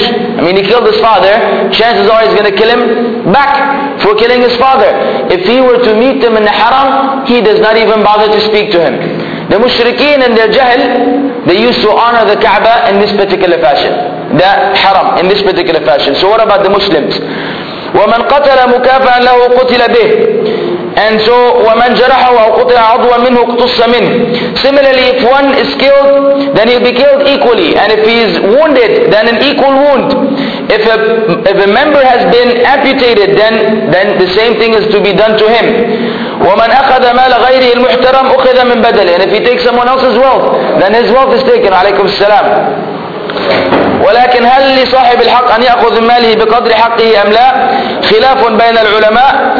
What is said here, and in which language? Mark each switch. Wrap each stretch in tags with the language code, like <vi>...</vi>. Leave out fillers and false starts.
<en>I mean, he killed his father. Chances are he's going to kill him back for killing his father. If he were to meet them in the Haram, he does not even bother to speak to him. The Mushrikeen and their Jahil, they used to honor the Kaaba in this particular fashion. The Haram in this particular fashion. So what about the Muslims?</en> <ar>وَمَنْ قَتَلَ مُكَافَأً لَهُ قُتِلَ بِهِ.</ar> <en>And so,</en> <ar>وَمَنْ جَرَحَهُ أَوْ قُتِلَ عَضْوًا مِنْهُ اقْتُصَّ مِنْهُ.</ar> <en>Similarly, if one is killed, then he'll be killed equally. And if he is wounded, then an equal wound. If a member has been amputated, then the same thing is to be done to him.</en> <ar>وَمَنْ أَخَذَ مَالَ غَيْرِهِ الْمُحْتَرَمْ أُخِذَ مِنْ بَدَلِهِ.</ar> <en>And if he takes someone else's wealth, then his wealth is taken.</en> <ar>عليكم السلام. ولكن هل لصاحب الحق أن يأخذ ماله بقدر حقه أم لا؟ خلاف بين العلماء.</ar>